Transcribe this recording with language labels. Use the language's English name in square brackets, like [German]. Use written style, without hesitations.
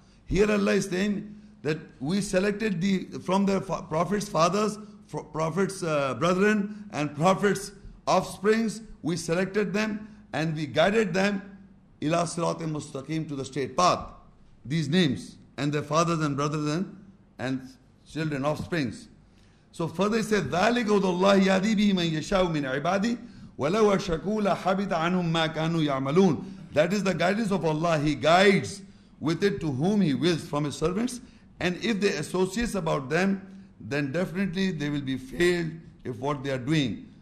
[English] Here Allah is saying that we selected the from their prophets' fathers, prophets' brethren, and prophets' offsprings, we selected them and we guided them [Arabic] ila sirat mustaqim [English] to the straight path. These names and their fathers and brothers and children, offsprings. [Arabic] So further he said, ذلك هدى الله يهدي به من يشاء من عبادي ولو أشركوا لحبط عنهم ما كانوا يعملون. [English] That is the guidance of Allah. He guides with it to whom He wills from His servants. And if they associate about them, then definitely they will be failed if what they are doing.